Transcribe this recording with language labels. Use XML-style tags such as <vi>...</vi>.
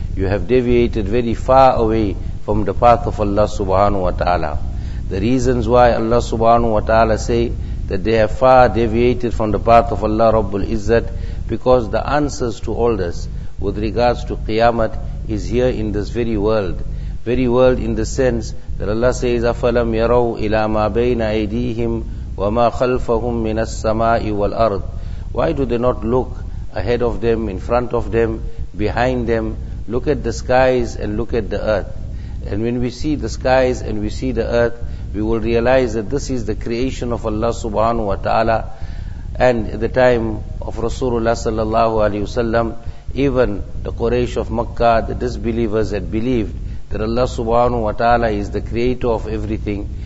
<en>You have deviated very far away from the path of Allah subhanahu wa ta'ala. The reasons why Allah subhanahu wa ta'ala say that they have far deviated from the path of Allah Rabbul Izzat, because the answers to all this with regards to Qiyamah is here in this very world. Very world in the sense that Allah says,</en> <ar>أَفَلَمْ يَرَوْا إِلَى مَا بَيْنَ أَيْدِيهِمْ وَمَا خَلْفَهُمْ مِنَ السَّمَاءِ وَالْأَرْضِ.</ar> <en>Why do they not look ahead of them, in front of them, behind them, look at the skies and look at the earth? And when we see the skies and we see the earth, we will realize that this is the creation of Allah subhanahu wa ta'ala. And at the time of Rasulullah sallallahu alayhi wa sallam, even the Quraysh of Makkah, the disbelievers, had believed that Allah subhanahu wa ta'ala is the creator of everything.</en>